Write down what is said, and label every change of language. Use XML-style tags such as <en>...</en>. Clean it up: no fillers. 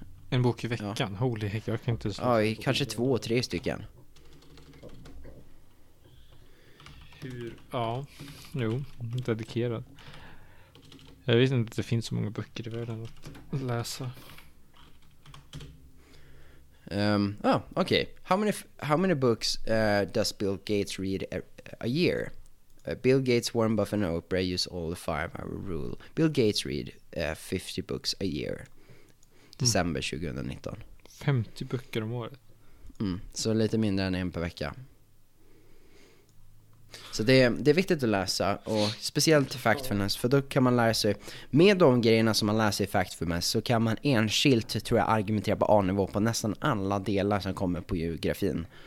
<sv>En bok i veckan,</sv> <en>holy heck,</en> <sv>jag kan inte säga. Ja, kanske 2-3 stycken. Hur, ja, jo, dedikerad. Jag vet inte att det finns så många böcker i världen att läsa. Okej. Okay.</sv> <en>How many books does Bill Gates read a year? Bill Gates, Warren Buffett and Oprah use all the 5-hour rule. Bill Gates read 50 books a year. December 2019.</en> <sv>50 böcker om året. Mm, så lite mindre än en per vecka. Så det är viktigt att läsa, och speciellt factfulness, för då kan man lära sig med de grejerna som man lär sig i factfulness, så kan man enskilt, tror jag, argumentera på A-nivå på nästan alla delar som kommer på geografin.</sv>